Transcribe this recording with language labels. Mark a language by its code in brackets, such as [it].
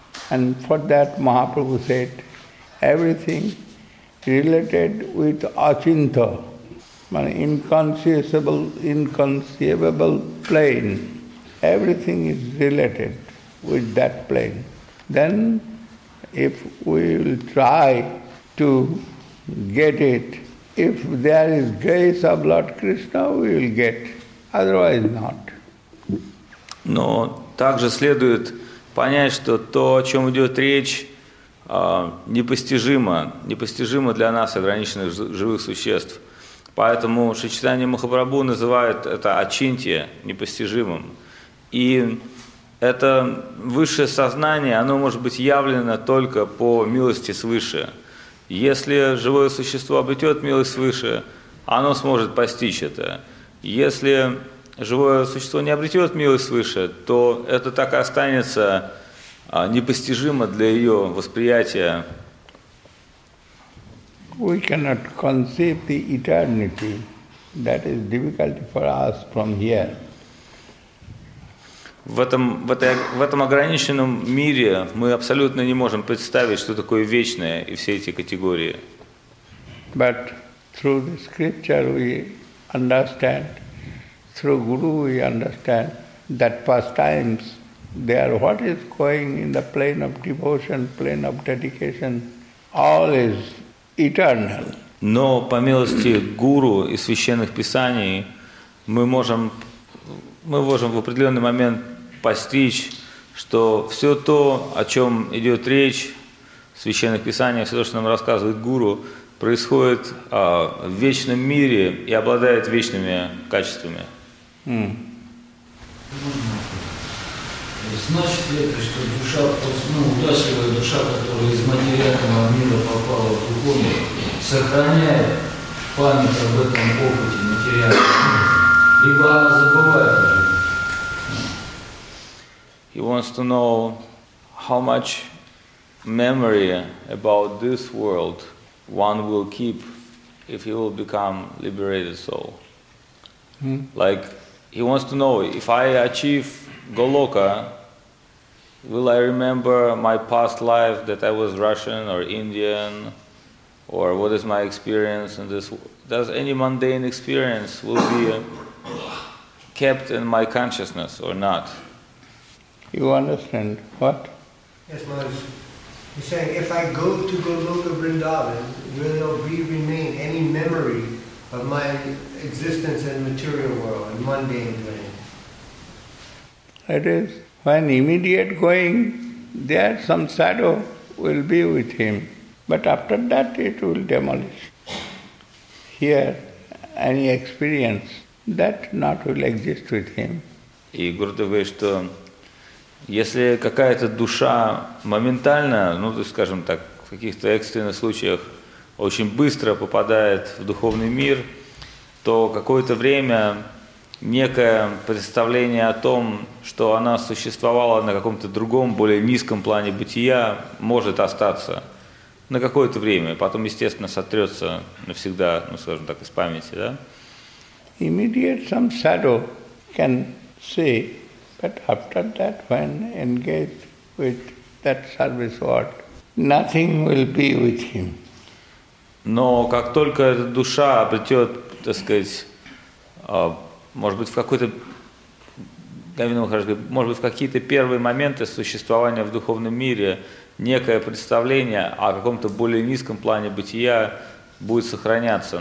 [en] And for that, Mahaprabhu said, everything related with achintya, inconceivable plane, everything is related with that plane. Then, if we will try to get it, if there is grace of Lord Krishna, we will get, otherwise not. [ru] Но также следует понять, что то, о чем идет речь, непостижимо для нас, ограниченных живых существ. Поэтому Шри Чайтанья Махапрабху называет это ачинтья, непостижимым. И это высшее сознание, оно может быть явлено только по милости свыше. Если живое существо обретет милость свыше, оно сможет постичь это. Если живое существо не обретет милость свыше, то это так и останется непостижимо для ее восприятия. [en] We cannot conceive the eternity. That is difficult for us from here. [ru] В этом ограниченном мире мы абсолютно не можем представить, что такое вечное и все эти категории. [en] But through the scripture we understand, through Guru we understand that past times there what is going in the plane of devotion, plane of dedication, all is eternal. [ru] Но по милости Гуру и священных писаний мы можем в определенный момент постичь, что все то, о чем идет речь в священных писаниях, все то, что нам рассказывает Гуру, происходит в вечном мире и обладает вечными качествами. Mm. Значит ли это, что душа, ну, удачливая душа, которая из материального мира попала в духовный, сохраняет память об этом опыте материальном, либо она забывает о нем? [en] He wants to know how much memory about this world one will keep if he will become liberated soul. Like, he wants to know, if I achieve Goloka, will I remember my past life that I was Russian or Indian, or what is my experience in this world? Does any mundane experience will be kept in my consciousness or not? You understand what? Yes, Maharaj. He's saying, if I go to Goloka Vrindavan, will there remain any memory of my existence in the material world, in mundane living? It is. When immediate going, there some shadow will be with him. But after that, it will demolish. Here, any experience, that not will exist with him. [ru] И Гурдев говорит, что если какая-то душа моментально, ну, то есть, скажем так, в каких-то экстренных случаях очень быстро попадает в духовный мир, то какое-то время некое представление о том, что она существовала на каком-то другом, более низком плане бытия, может остаться на какое-то время, потом, естественно, сотрется навсегда, ну, скажем так, из памяти, да? [en] Immediate some shadow can see. But after that, when engaged with that service word, nothing will be with him. [ru] Но как только душа обретет, так сказать, может быть, в какой-то, может быть, в какие-то первые моменты существования в духовном мире некое представление о каком-то более низком плане бытия будет сохраняться.